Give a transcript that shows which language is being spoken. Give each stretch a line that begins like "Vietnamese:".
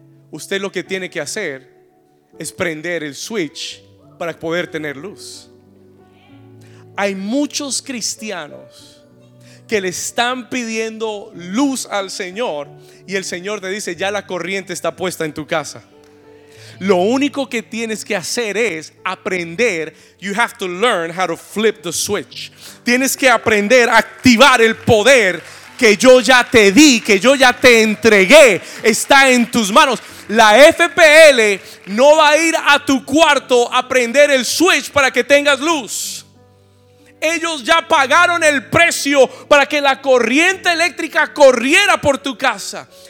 Spanish: Usted lo que tiene que hacer es prender el switch para poder tener luz. Hay muchos cristianos que le están pidiendo luz al Señor y el Señor te dice: ya la corriente está puesta en tu casa. Lo único que tienes que hacer es aprender.
English: You have to learn how to flip the switch.
Spanish: Tienes que aprender a activar el poder que yo ya te di, que yo ya te entregué. Está en tus manos. La FPL no va a ir a tu cuarto a prender el switch para que tengas luz. Ellos ya pagaron el precio para que la corriente eléctrica corriera por tu casa.